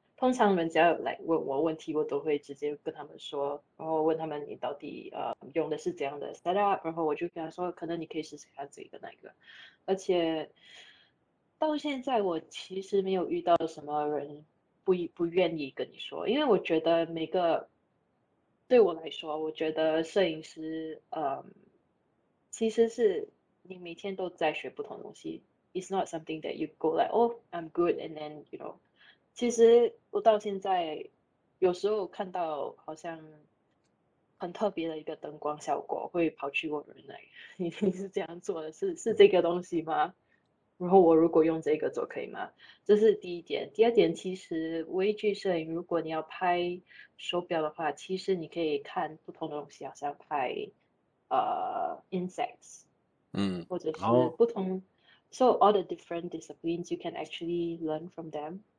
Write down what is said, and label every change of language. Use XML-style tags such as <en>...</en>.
<zh>通常人家来问我问题，我都会直接跟他们说，然后问他们你到底用的是怎样的 setup，然后我就跟他说，可能你可以试试看自己的那个，而且。到现在，我其实没有遇到什么人不愿意跟你说，因为我觉得每个对我来说，我觉得摄影师，其实是你每天都在学不同东西。</zh> <en>It's not something that you go like, oh, I'm good, and then you know。</en> <zh>其实我到现在，有时候看到好像很特别的一个灯光效果，会跑去问人来，你是这样做的，是这个东西吗？然后我如果用这个做可以吗？这是第一点。第二点，其实微距摄影，如果你要拍手表的话，其实你可以看不同的东西，好像拍insects，或者是不同，</zh> <en>so all the different disciplines you can actually learn from them。</en>